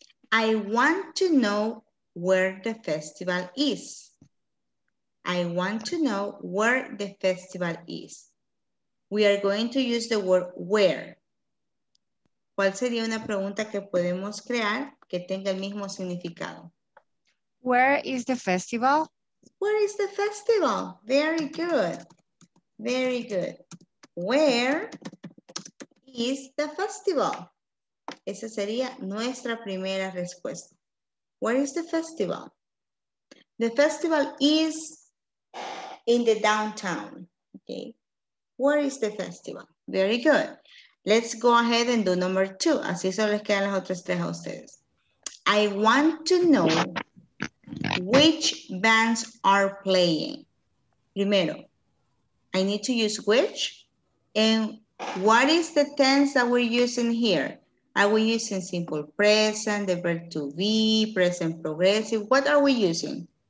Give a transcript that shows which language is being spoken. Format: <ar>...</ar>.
<en>I want to know where the festival is. I want to know where the festival is. We are going to use the word where.</en> <es>¿Cuál sería una pregunta que podemos crear que tenga el mismo significado?</es> <en>Where is the festival? Where is the festival? Very good. Very good. Where is the festival?</en> <es>Esa sería nuestra primera respuesta.</es> <en>Where is the festival? The festival is in the downtown. Okay. Where is the festival? Very good. Let's go ahead and do number two.</en> <es>Así solo les quedan las otras tres a ustedes.</es> <en>I want to know which bands are playing.</en> <es>Primero,</es> <en>I need to use which. And what is the tense that we're using here? Are we using simple present, the verb to be, present progressive? What are we using?</en>